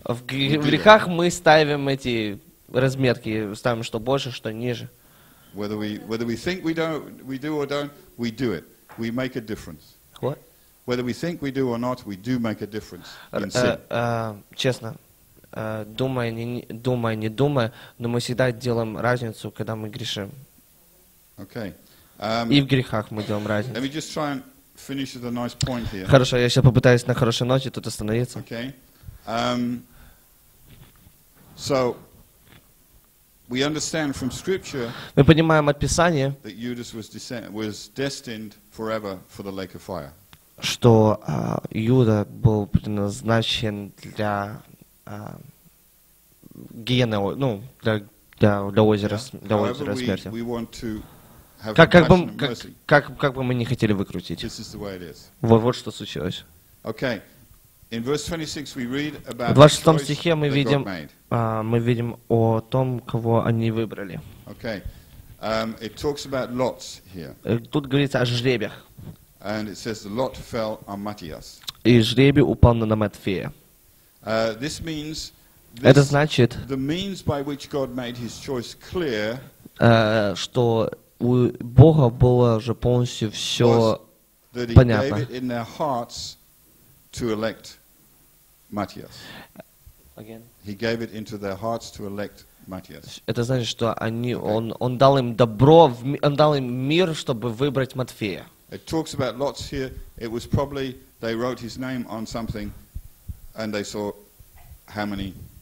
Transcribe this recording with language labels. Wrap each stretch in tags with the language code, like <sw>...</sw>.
<ru>В грехах мы ставим эти разметки, ставим что больше, что ниже.</ru> <en>Whether we think we do or don't, we do it. We make a difference. What? Whether we think we do or not, we do make a difference in sin.</en> <ru>Честно, думая, не думая, но мы всегда делаем разницу, когда мы грешим.</ru> <en>Okay.</en> <ru>И в грехах мы делаем разницу.</ru> <en>Let me just try and finish with a nice point here.</en> <ru>Хорошо, я сейчас попытаюсь на хорошей ноте тут остановиться.</ru> <en>Okay. So. We understand from Scripture.</en> <ru>Мы понимаем от Писания,</ru> <en>that Judas was destined forever for the lake of fire.</en> <ru>Что Иуда был предназначен для гиены, для озера, для озера смерти.</ru> <en>We want to have compassion and mercy.</en> <ru>Как бы мы не хотели выкрутить.</ru> <en>This is the way it is.</en> <ru>Вот что случилось.</ru> <en>Okay.</en> <ru>В 26 стихе мы видим о том, кого они выбрали.</ru> <en>Okay. It talks about lots here.</en> <ru>Тут говорится о жребиях.</ru> <en>And it says the lot fell on Matthias.</en> <ru>И жребий упал на Матфея.</ru> <en>This means</en> <ru>это значит,</ru> <en>the means by which God made his choice clear,</en> <ru>что у Бога было же полностью все понятно.</ru> <en>In their hearts to elect Matthias. Again. He gave it into their hearts to elect Matthias.</en> <ru>Это значит, что они, okay. он дал им добро, он дал им мир, чтобы выбрать Матфея.</ru> <en>It talks about lots here. It was probably they wrote his name on something, and they saw how many.</en>